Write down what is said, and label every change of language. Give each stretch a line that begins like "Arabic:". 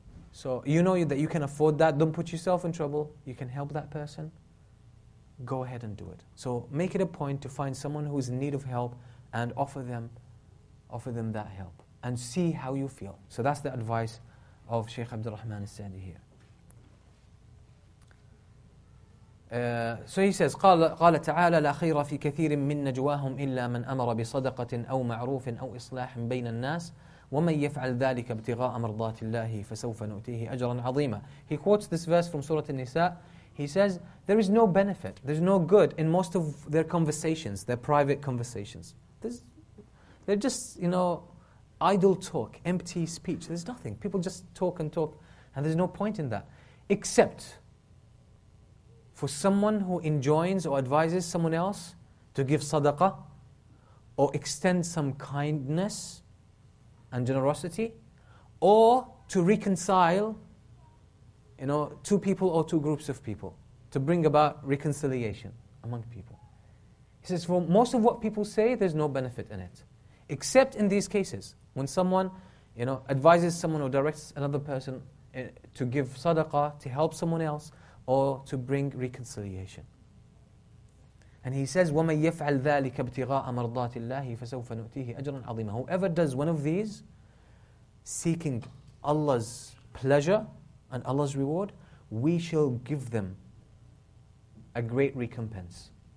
English: So you know that you can afford that. Don't put yourself in trouble. You can help that person. Go ahead and do it. So make it a point to find someone who is in need of help and offer them that help. And see how you feel. So that's the advice of Shaykh Abdul Rahman al-Sa'di here. So he says,
Arabic: قال تعالى لا خير في كثير من نجواهم إلا من أمر بصدقة أو معروف أو إصلاح بين الناس ومن يفعل ذلك ابتغاء مرضات الله فسوف نؤتيه أجرا عظيما.
English: He quotes this verse from Surah An-Nisa. He says, there is no benefit, there's no good in most of their conversations, their private conversations. They're just, you know, idle talk, empty speech. There's nothing. People just talk and talk, and there's no point in that. Except for someone who enjoins or advises someone else to give sadaqah or extend some kindness and generosity, or to reconcile, you know, two people or two groups of people, to bring about reconciliation among people. He says, for most of what people say, there's no benefit in it. Except in these cases, when someone, you know, advises someone or directs another person to give sadaqah, to help someone else, or to bring reconciliation. And he says,
Arabic: وَمَنْ يَفْعَلْ ذَٰلِكَ ابْتِغَاءَ مَرْضَاتِ اللَّهِ فَسَوْفَ نُؤْتِيهِ أَجْرًا عَظِيمًا.
English: Whoever does one of these, seeking Allah's pleasure and Allah's reward, we shall give them a great recompense.